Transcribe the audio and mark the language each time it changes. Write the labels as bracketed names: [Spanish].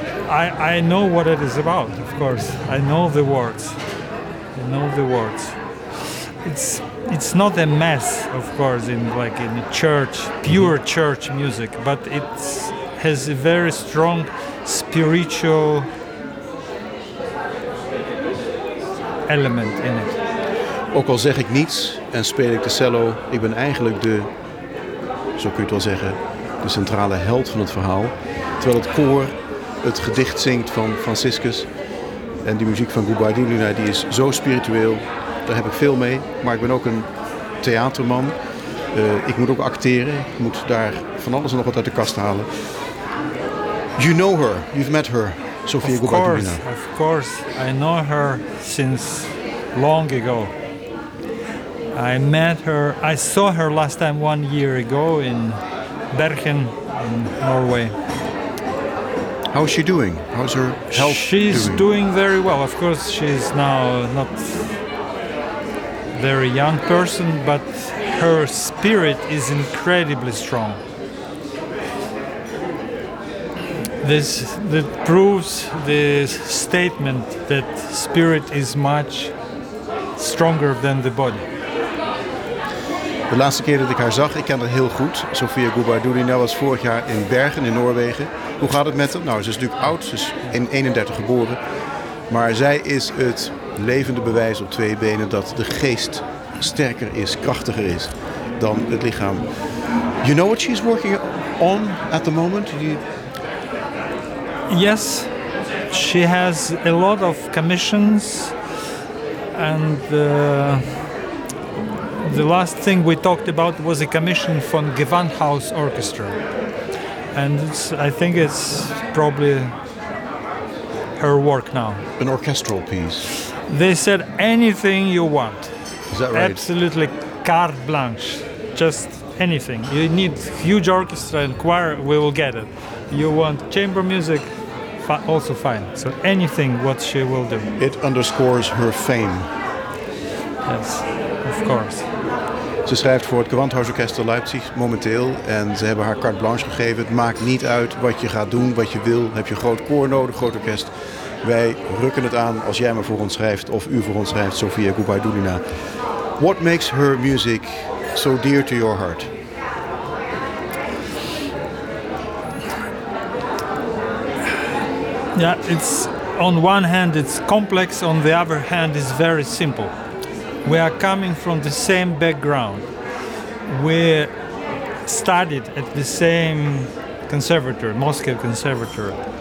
[English] I know what it is about, of course. I know the words. It's not a mess, of course, in a church, pure church music, but it has a very strong spiritual element in it. [Dutch] Ook al zeg ik niets en speel ik de cello, ik ben eigenlijk de, zo kun je het wel zeggen, de centrale held van het verhaal. Terwijl het koor het gedicht zingt van Franciscus en die muziek van Kubai Dulina, die is zo spiritueel. Daar heb ik veel mee, maar ik ben ook een theaterman. Ik moet ook acteren. Ik moet daar van alles en nog wat uit de kast halen. [English] You know her. You've met her, Sofia Gubadina. Of course, I know her since long ago. I met her. I saw her last time 1 year ago in Bergen, in Norway. How is she doing? How's her health? She's doing very well. Of course, she's now not very young person, but her spirit is incredibly strong. this that proves the statement that spirit is much stronger than the body. [Dutch] De laatste keer dat ik haar zag, ik ken haar heel goed. Sofia Gubardulina was vorig jaar in Bergen in Noorwegen. Hoe gaat het met haar? Nou, ze is natuurlijk oud, ze is in 31 geboren. Maar zij is het levende bewijs op twee benen dat de geest sterker is, krachtiger is dan het lichaam. [English] You know what she's working on at the moment? Yes, she has a lot of commissions and... The last thing we talked about was a commission from Gewandhaus Orchestra. And it's, I think it's probably her work now. An orchestral piece. They said anything you want. Is that right? Absolutely carte blanche. Just anything. You need huge orchestra and choir, we will get it. You want chamber music, also fine. So anything what she will do. It underscores her fame. Yes, of course. [Dutch] Ze schrijft voor het Gewandhausorkester Leipzig momenteel en ze hebben haar carte blanche gegeven. Het maakt niet uit wat je gaat doen, wat je wil. Heb je groot koor nodig, groot orkest? Wij rukken het aan als jij me voor ons schrijft of u voor ons schrijft, Sofia Gubardulina. [English] What makes her music so dear to your heart? Yeah, it's on one hand it's complex, on the other hand it's very simple. We are coming from the same background. We studied at the same conservatory, Moscow Conservatory.